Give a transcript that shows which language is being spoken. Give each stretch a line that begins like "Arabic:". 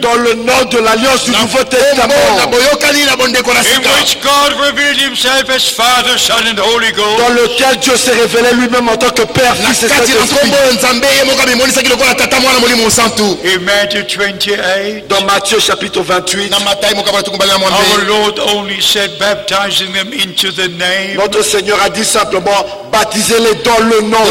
French: Dans le nom de l'alliance du Nouveau Testament.
English: In which God revealed Himself as Father, Son, and Holy Ghost.
French: Dans lequel Dieu s'est révélé lui-même en tant que Père, Fils et Saint-Esprit.
English: In Matthew 28.
French: Dans Matthieu chapitre 28.
English: Our Lord only said. Baptizing them into the name.
French: Notre Seigneur a dit simplement baptisez-les dans le nom.